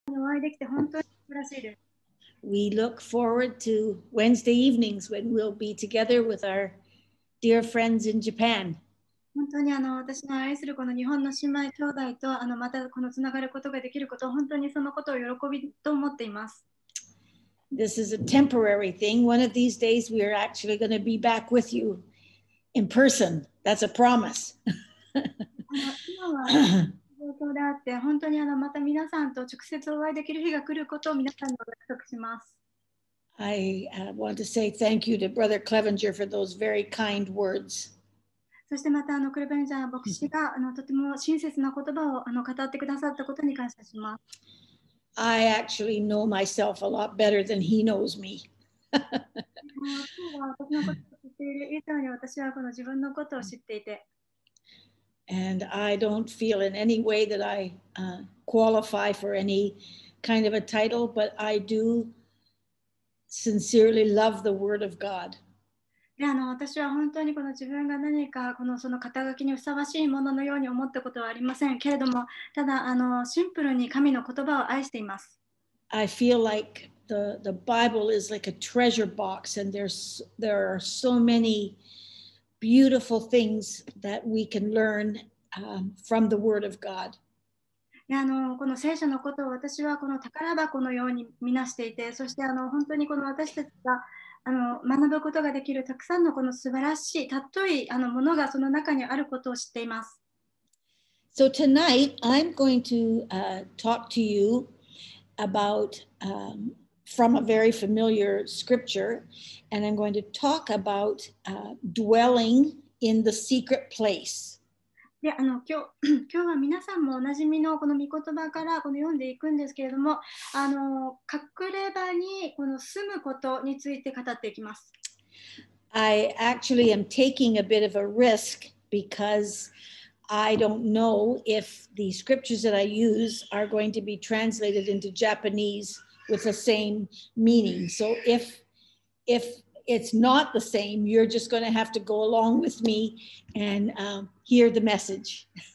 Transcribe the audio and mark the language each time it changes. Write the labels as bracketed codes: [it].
[ja] 会できて本当に素晴らしいです。 [en] We look forward to Wednesday evenings when we'll be together with our dear friends in Japan. [ja] 本当にあの私の愛するこの日本の姉妹兄弟とあのまたこのつながることができることを本当にそのことを喜びと思っています。 [en] This is a temporary thing. One of these days we are actually going to be back with you in person. That's a promise. [ja] 今は、であって本当にあのまた皆さんと直接お会いできる日が来ることを皆さんにお約束します。 [en] I want to say thank you to Brother Clevenger for those very kind words. [ja] そしてまたあのクレベンジャー牧師があのとても親切な言葉をあの語ってくださったことに感謝します。 [en] I actually know myself a lot better than he knows me. [ja] 私のことを知っている以上に私はこの自分のことを知っていて。 [en] And I don't feel in any way that I qualify for any kind of a title, but I do sincerely love the Word of God. [ja] であの私は本当にこの自分が何かこのその肩書きにふさわしいもののように思ったことはありませんけれども、ただあのシンプルに神の言葉を愛しています。 [en] I feel like the Bible is like a treasure box, and there are so many. Beautiful things that we can learn from the Word of God. [ja] あのこの聖書のことを私はこの宝箱のようにみなしていて、そしてあの本当にこの私たちがあの学ぶことができるたくさんのこの素晴らしいたっといあのものがその中にあることを知っています。 [en] So tonight I'm going to talk to you about from a very familiar scripture, and I'm going to talk about dwelling in the secret place. [ja] であの今日は皆さんもおなじみのこの御言葉からこの読んでいくんですけれども、あの隠れ場にこの住むことについて語っていきます。 [en] I actually am taking a bit of a risk because I don't know if the scriptures that I use are going to be translated into Japanese. With the same meaning. So if it's not the same, you're just going to have to go along with me and hear the message.